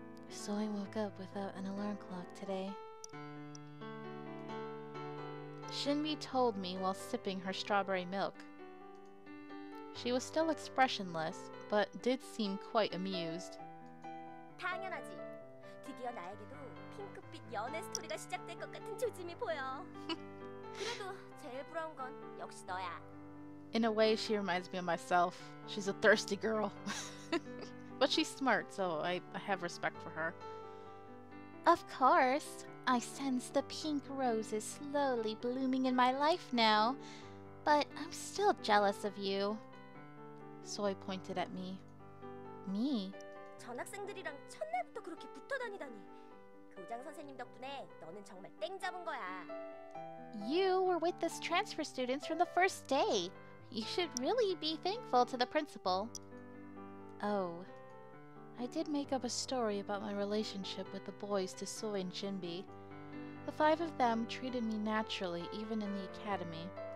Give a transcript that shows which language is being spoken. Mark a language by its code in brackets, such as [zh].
[en] Soy woke up without an alarm clock today. Shinbi told me while sipping her strawberry milk. She was still expressionless, but did seem quite amused. [ko] 당연하지. 드디어 나에게도 핑크빛 연애 스토리가 시작될 것 같은 조짐이 보여. 그래도 제일 부러운 건 역시 너야. [en] In a way, she reminds me of myself. She's a thirsty girl. But she's smart, so I have respect for her. Of course. I sense the pink roses slowly blooming in my life now. But I'm still jealous of you. Soy pointed at me. Me? [ko] 전 학생들이랑 첫날부터 그렇게 붙어다니다니. 교장 선생님 덕분에 너는 정말 땡 잡은 거야. [en] You were with those transfer students from the first day. You should really be thankful to the principal. Oh, I did make up a story about my relationship with the boys to Soy and Jinbi. The five of them treated me naturally, even in the academy.